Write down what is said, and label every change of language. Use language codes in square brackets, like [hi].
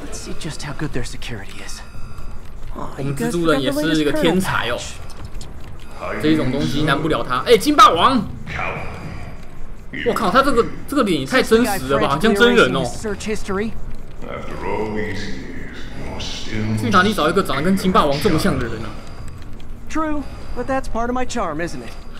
[en] See just how good their security is. [zh] 我们蜘蛛人也是一个天才哦。这一种东西难不了他。哎，金霸王！我靠，他这个脸也太真实了吧，好像真人哦。去哪里找一个长得跟金霸王这么像的人呢、啊、 [en] ？True, but that's part of my charm, isn't it?